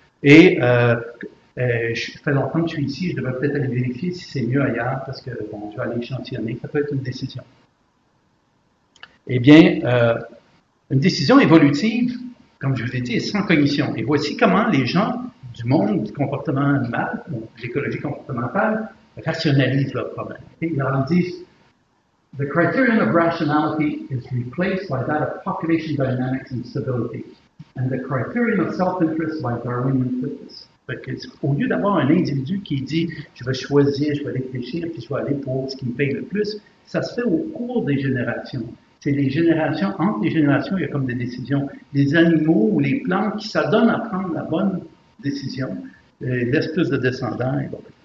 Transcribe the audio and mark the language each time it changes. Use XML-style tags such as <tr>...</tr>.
<fr>Et je fais longtemps que je suis ici, je devrais peut-être aller vérifier si c'est mieux ailleurs, parce que bon, je vais aller échantillonner, ça peut être une décision. Eh bien, une décision évolutive, comme je vous l'ai dit, est sans cognition. Et voici comment les gens du monde du comportement animal, ou de l'écologie comportementale, rationalise leur problème. Ils disent,</fr> <en>the criterion of rationality is replaced by that of population dynamics and stability, and the criterion of self-interest by Darwinian fitness.</en> <fr>Fait que, au lieu d'avoir un individu qui dit, je vais choisir, je vais réfléchir, puis je vais aller pour ce qui me paye le plus, ça se fait au cours des générations. C'est les générations, entre les générations, il y a comme des décisions. Les animaux ou les plantes qui s'adonnent à prendre la bonne décision, laissent plus de descendants, et bon.</fr>